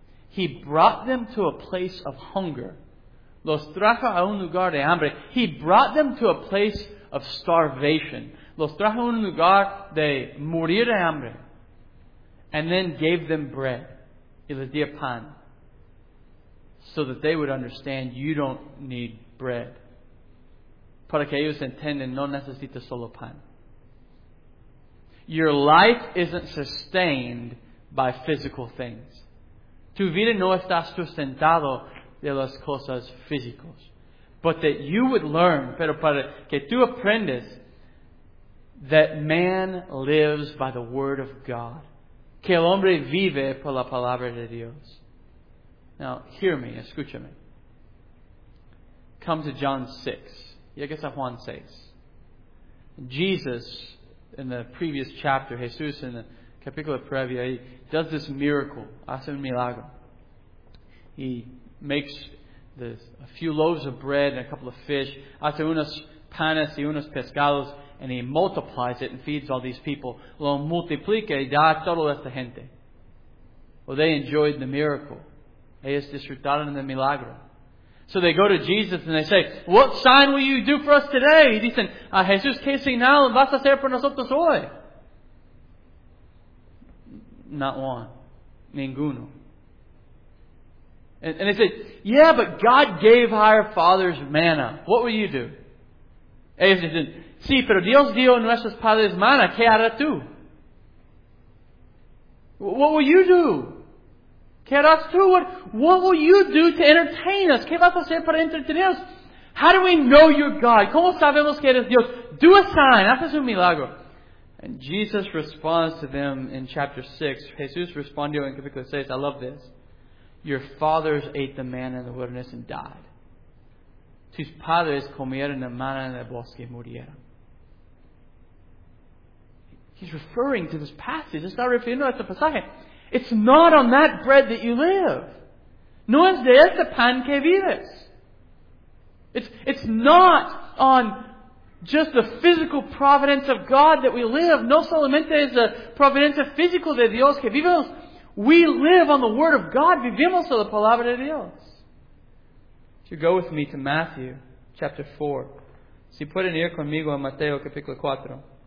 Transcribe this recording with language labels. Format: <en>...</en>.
<en>He brought them to a place of hunger.</en> <es>Los trajo a un lugar de hambre.</es> <en>He brought them to a place of starvation.</en> <es>Los trajo a un lugar de morir de hambre.</es> <en>And then gave them bread.</en> <es>Y les dio pan.</es> <en>So that they would understand you don't need bread.</en> <es>Para que ellos entiendan, no necesitas solo pan.</es> <en>Your life isn't sustained by physical things.</en> <es>Tu vida no está sustentado de las cosas físicas.</es> <en>But that you would learn,</en> <es>pero para que tú aprendas,</es> <en>that man lives by the word of God.</en> <es>Que el hombre vive por la palabra de Dios.</es> <en>Now, hear me,</en> <es>escúchame.</es> <en>Come to John 6.</en> <es>Llegas a Juan 6.</es> <en>Jesus, in the previous chapter, Jesús in the</en> <es>capítulo previo,</es> <en>he does this miracle,</en> <es>hace un milagro.</es> <en>He makes a few loaves of bread and a couple of fish,</en> <es>hace unos panes y unos pescados,</es> <en>and he multiplies it and feeds all these people.</en> <es>Lo multiplica y da a toda esta gente.</es> <en>Well, they enjoyed the miracle.</en> <es>Ellos disfrutaron del milagro.</es> <en>So they go to Jesus and they say, what sign will you do for us today?</en> <es>Y dicen, Jesús, ¿qué señal vas a hacer por nosotros hoy?</es> <en>Not one.</en> <es>Ninguno.</es> <en>And they say, yeah, but God gave our fathers manna. What will you do?</en> <es>Ellos dicen, sí, pero Dios dio a nuestros padres manna. ¿Qué hará tú?</es> <en>What will you do?</en> <es>¿Qué harás tú?</es> <en>What will you do to entertain us?</en> <es>¿Qué vas a hacer para entretenernos?</es> <en>How do we know you're God?</en> <es>¿Cómo sabemos que eres Dios?</es> <en>Do a sign.</en> <es>Haz un milagro.</es> <en>And Jesus responds to them in chapter 6.</en> <es>Jesús respondió en capítulo 6.</es> <en>I love this. Your fathers ate the manna in the wilderness and died.</en> <es>Tus padres comieron la manna en el bosque y murieron.</es> <en>He's referring to this passage. It's not referring to the pasaje. It's not on that bread that you live.</en> <es>No es de ese pan que vives.</es> <en>It's not on just the physical providence of God that we live.</en> <es>No solamente es la providencia física de Dios que vivimos.</es> <en>We live on the Word of God.</en> <es>Vivimos a la palabra de Dios.</es> <en>So go with me to Matthew chapter 4.</en> <es>Si pueden ir conmigo a Mateo capítulo 4.</es>